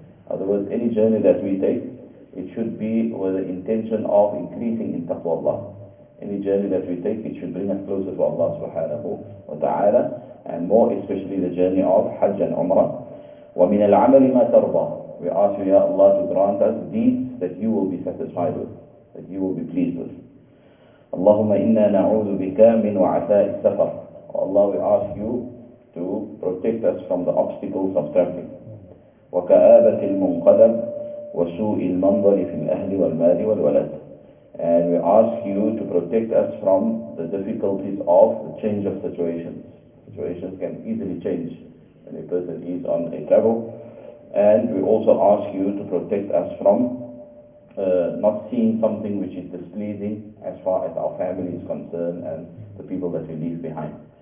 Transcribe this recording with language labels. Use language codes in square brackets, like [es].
[en] In other words, any journey that we take, it should be with the intention of increasing in taqwa Allah. Any journey that we take, it should bring us closer to Allah subhanahu wa ta'ala, and more especially the journey of Hajj and Umrah. [ar] وَمِنَ الْعَمَلِ مَا تَرْضَى. [en] We ask you, Ya Allah, to grant us deeds that you will be satisfied with, that you will be pleased with. [ar] اللهم إنا نعوذ بك من وعثاء السفر. [en] Oh Allah, we ask you to protect us from the obstacles of traveling. [ar] وكآبة المنقلب وسوء المنظر في الأهل والمال والولد. [en] And we ask you to protect us from the difficulties of the change of situations. Situations can easily change when a person is on a travel. And we also ask you to protect us from not seeing something which is displeasing as far as our family is concerned and the people that we leave behind.